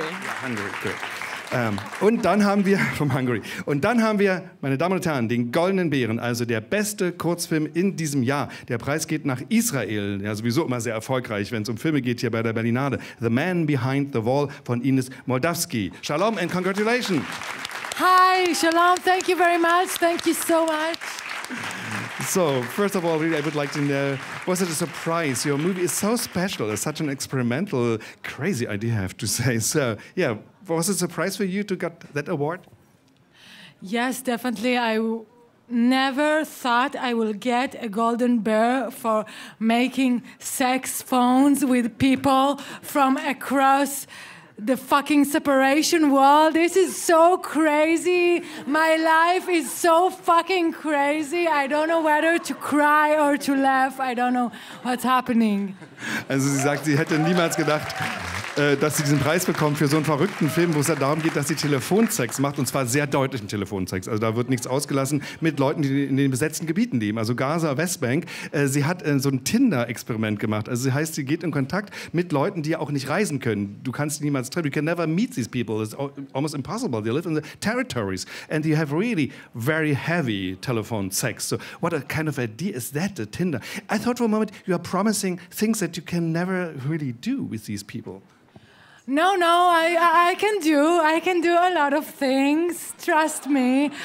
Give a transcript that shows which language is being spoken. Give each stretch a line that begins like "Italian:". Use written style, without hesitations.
English: Yeah, Hungary, good.
German: Und dann haben wir,
English: from Hungary,
German: und dann haben wir, meine Damen und Herren, den Goldenen Bären, also der beste Kurzfilm in diesem Jahr. Der Preis geht nach Israel, ja sowieso immer sehr erfolgreich, wenn es um Filme geht hier bei der Berlinale.
English: The Man Behind the Wall von Ines Moldavsky. Shalom and congratulations. Hi, shalom, thank you very much, thank you so much. So, first of all, really, I would like to know, was it a surprise? Your movie is so special, it's such an experimental, crazy idea, I have to say. So, yeah. Was it a surprise for you to get that award? Yes, definitely. I never thought I will get a Golden Bear for making sex phones with people from across the fucking separation wall. This is so crazy. My life is so fucking crazy. I don't know whether to cry or to laugh. I don't know what's happening.
German: Also sie sagt, sie hätte niemals gedacht, dass sie diesen Preis bekommt für so einen verrückten Film, wo es ja darum geht, dass sie Telefonsex macht, und zwar sehr deutlichen Telefonsex. Also da wird nichts ausgelassen mit Leuten, die in den besetzten Gebieten leben, also Gaza, Westbank. Sie hat so ein Tinder-Experiment gemacht. Also sie heißt, sie geht in Kontakt mit Leuten, die auch nicht reisen können. Du kannst sie niemals treffen.
English: You can never meet these people. It's almost impossible. They live in the territories. And you have really very heavy telephone sex. So what a kind of idea is that, the Tinder? I thought for a moment you are promising things that you can never really do with these people. No, no, I can do a lot of things, trust me.